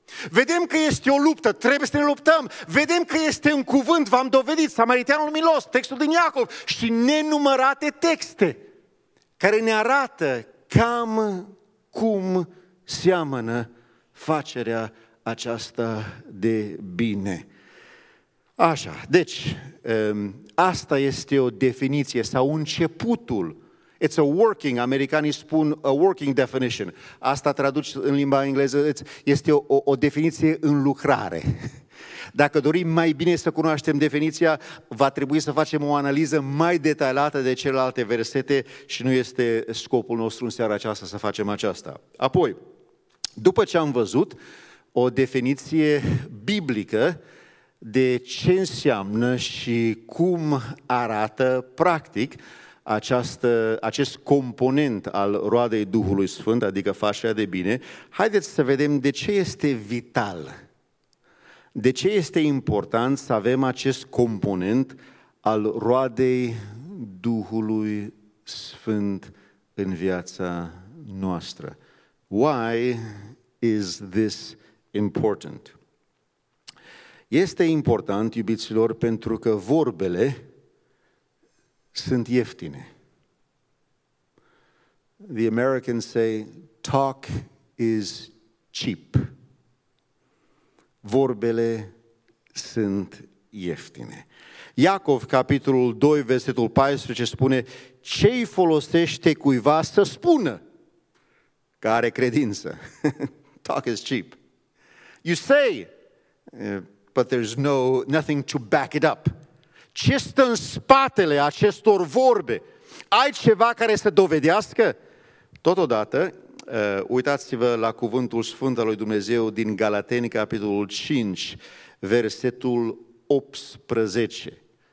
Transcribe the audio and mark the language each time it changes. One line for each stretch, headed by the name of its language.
Romanian: Vedem că este o luptă, trebuie să ne luptăm. Vedem că este un cuvânt, v-am dovedit, Samariteanul Milos, textul din Iacov și nenumărate texte care ne arată cam cum seamănă facerea aceasta de bine. Așa, deci, asta este o definiție sau începutul.
English: It's a working,
Romanian: americanii spun
English: a working definition.
Romanian: Asta traduce în limba engleză, este o definiție în lucrare. Dacă dorim mai bine să cunoaștem definiția, va trebui să facem o analiză mai detaliată de celelalte versete și nu este scopul nostru în seara aceasta să facem aceasta. Apoi, după ce am văzut o definiție biblică de ce înseamnă și cum arată practic, acest component al roadei Duhului Sfânt, adică facerea de bine, haideți să vedem de ce este vital, de ce este important să avem acest component al roadei Duhului Sfânt în viața noastră.
English: Why is this important?
Romanian: Este important, iubiților, pentru că vorbele sunt ieftine.
English: The Americans say, talk is cheap.
Romanian: vorbele sunt ieftine. Iacov, capitolul 2, versetul 14, spune: ce-i folosește cuiva să spună că are credință?
English: Talk is cheap. You say, but there's nothing to back it up.
Romanian: Ce stă în spatele acestor vorbe? Ai ceva care să dovedească? Totodată, uitați-vă la cuvântul sfânt al lui Dumnezeu din Galateni, capitolul 5, versetul 18.